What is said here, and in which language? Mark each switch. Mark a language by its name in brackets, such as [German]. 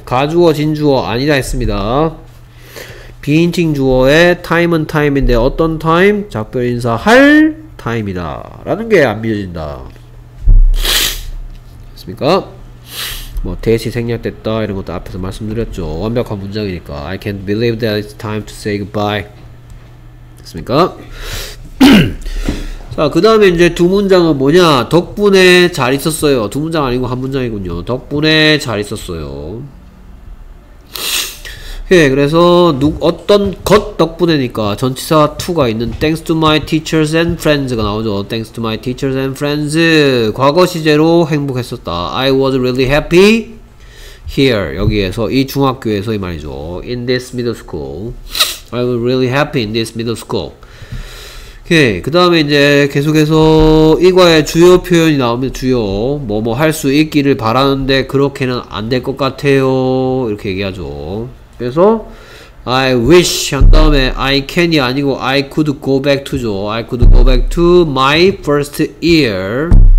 [Korean] 가주어, 진주어 아니라 했습니다. 비인칭 주어에 time은 time인데 어떤 time? 작별 인사할 time이다 라는 게 안 믿어진다. 됐습니까? 뭐 대시 생략됐다 이런 것도 앞에서 말씀드렸죠. 완벽한 문장이니까 [English] I can't believe that it's time to say goodbye. [Korean] 됐습니까? 자, 그 다음에 이제 두 문장은 뭐냐, 덕분에 잘 있었어요. 두 문장 아니고 한 문장이군요. 덕분에 잘 있었어요. 예, 그래서 어떤 것 덕분에니까 전치사 2가 있는 [English] thanks to my teachers and friends [Korean] 가 나오죠. [English] thanks to my teachers and friends, [Korean] 과거 시제로 행복했었다. [English] I was really happy here, [Korean] 여기에서 이 중학교에서 이 말이죠. [English] in this middle school, I was really happy in this middle school. [Korean] 오케이. 그 다음에 이제 계속해서 이과의 주요 표현이 나오면 주요 뭐뭐 할 수 있기를 바라는데 그렇게는 안 될 것 같아요 이렇게 얘기하죠. 그래서 [English] I wish [Korean] 한 다음에 [English] I can이 [Korean] 아니고 [English] I could go back to죠. I could go back to my first year